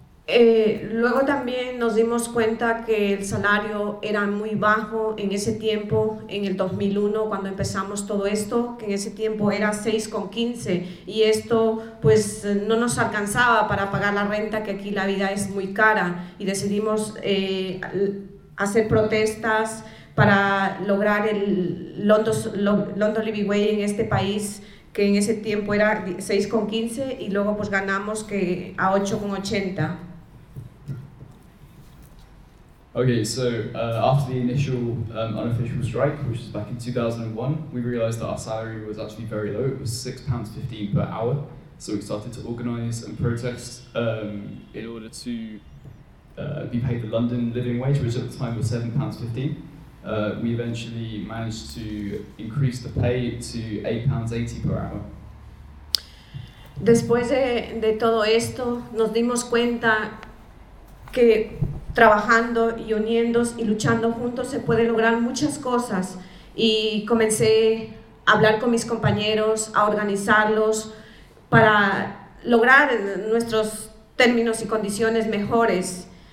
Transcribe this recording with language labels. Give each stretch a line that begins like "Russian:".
Spanish: Luego también nos dimos cuenta que el salario era muy bajo en ese tiempo, en el 2001, cuando empezamos todo esto, que en ese tiempo era 6.15 y esto pues no nos alcanzaba para pagar la renta, que aquí la vida es muy cara, y decidimos hacer protestas para lograr el London Living Wage en este país, que en ese tiempo era 6.15 y luego pues ganamos que a 8.80.
English: Okay, so after the initial unofficial strike, which was back in 2001, we realized that our salary was actually very low. It was £6.15 per hour. So we started to organize and protest in order to be paid the London living wage, which at the time was £7.15. We eventually managed to increase the pay to £8.80 per hour.
Spanish: Después de todo esto, nos dimos cuenta que trabajando y uniéndonos y luchando juntos se puede lograr muchas cosas, y comencé a hablar con mis compañeros, a organizarlos para lograr nuestros términos y condiciones mejores.